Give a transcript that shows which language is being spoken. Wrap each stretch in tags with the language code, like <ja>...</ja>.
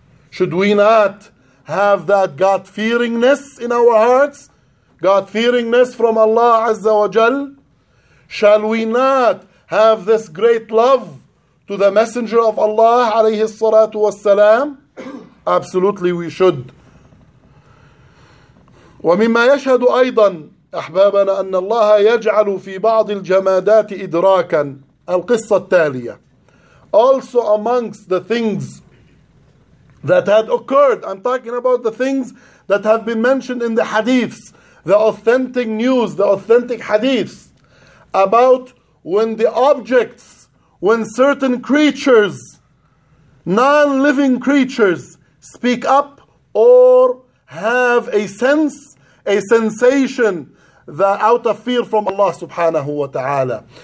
<en>Should we not have that God-fearingness in our hearts? God-fearingness from Allah Azza wa Jal? Shall we not have this great love to the Messenger of Allah alayhi salatu wassalam? Absolutely we should.</en> <ar>ومما يشهد أيضا أحبابنا أن الله يجعل في بعض الجمادات إدراكا. القصة التالية.</ar> <en>Also amongst the things that had occurred, I'm talking about the things that have been mentioned in the hadiths, the authentic news, the authentic hadiths, about when the objects, when certain creatures, non-living creatures, speak up or have a sense, a sensation, the out of fear from Allah subhanahu wa ta'ala.</en>